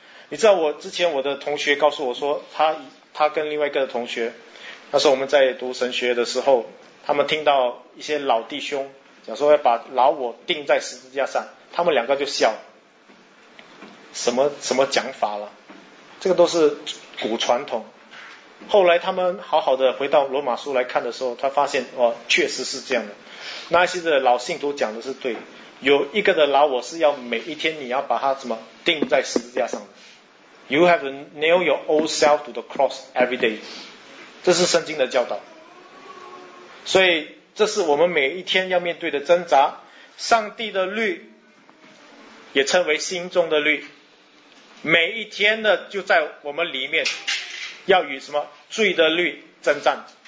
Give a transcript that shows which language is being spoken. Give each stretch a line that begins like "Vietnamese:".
Chinese: 你知道我之前我的同学告诉我说，他跟另外一个同学，那时候我们在读神学的时候，他们听到一些老弟兄讲说要把老我钉在十字架上，他们两个就笑，什么讲法了，这个都是古传统。后来他们好好的回到罗马书来看的时候，他发现哦，确实是这样的。那些的老信徒讲的是对，有一个的老我是要每一天你要把它怎么钉在十字架上的。
English: You have to nail your old self to the cross every day.
Chinese: 这是圣经的教导。所以这是我们每一天要面对的挣扎。上帝的律也称为心中的律，每一天的就在我们里面，要与什么罪的律征战。